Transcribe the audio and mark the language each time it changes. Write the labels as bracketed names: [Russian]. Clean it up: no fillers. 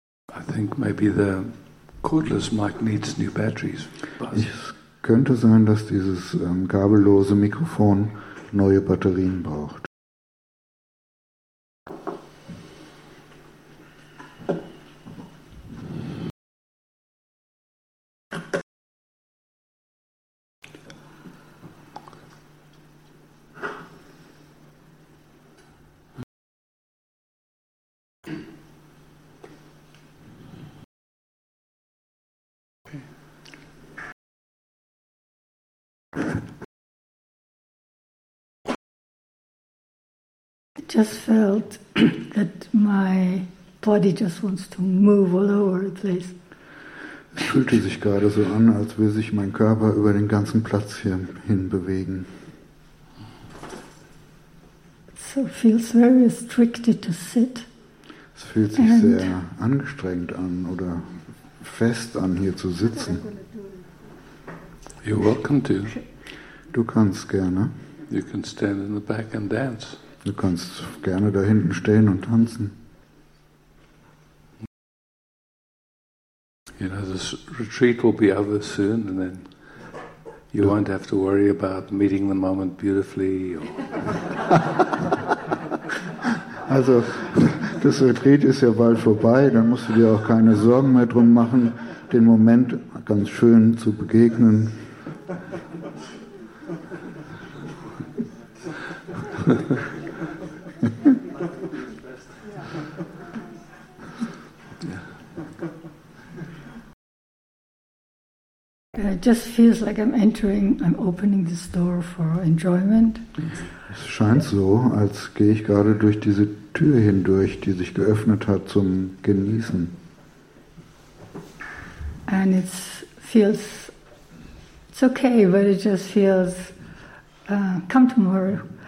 [English] I think maybe the cordless mic needs new batteries. [German] Es könnte sein, dass dieses kabellose Mikrofon neue Batterien braucht. [English] Just felt that my body just wants to move all over the place. [German] Es fühlte sich gerade so an, als würde sich mein Körper über den ganzen Platz hier hin bewegen. [English] So feels very restricted to sit. [German] Es fühlt sich and sehr angestrengt an oder fest an, hier zu sitzen. [English] You're welcome to. [German] Du kannst gerne. [English] You can stand in the back and dance. [German] Du kannst gerne da hinten stehen und tanzen. [English] You know, this retreat will be over soon and then you won't have to worry about meeting the moment beautifully. Or [German] also, das Retreat ist ja bald vorbei, dann musst du dir auch keine Sorgen mehr drum machen, den Moment ganz schön zu begegnen. [English] It just feels like I'm entering, I'm opening this door for enjoyment. [German] Es scheint so, als gehe ich gerade durch diese Tür hindurch, die sich geöffnet hat zum Genießen. [English] And it feels, it's okay, but it just feels, come tomorrow.